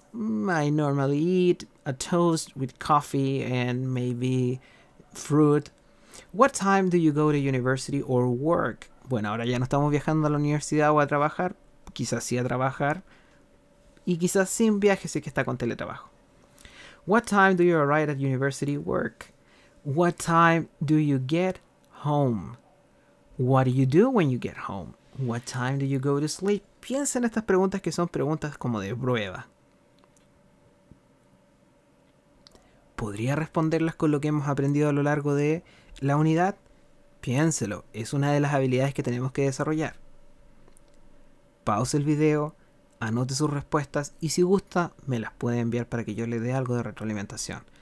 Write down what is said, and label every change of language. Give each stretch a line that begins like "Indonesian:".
English: I normally eat a toast with coffee and maybe fruit. What time do you go to university or work?
Spanish: Bueno, ahora ya no estamos viajando a la universidad o a trabajar. Quizás sí a trabajar. Y quizás sin viaje, sí que está con teletrabajo.
English: What time do you arrive at university work? What time do you get home? What do you do when you get home? What time do you go to sleep?
Spanish: Piensa en estas preguntas que son preguntas como de prueba. ¿Podría responderlas con lo que hemos aprendido a lo largo de la unidad? Piénselo, es una de las habilidades que tenemos que desarrollar. Pause el video, anote sus respuestas y si gusta, me las puede enviar para que yo le dé algo de retroalimentación.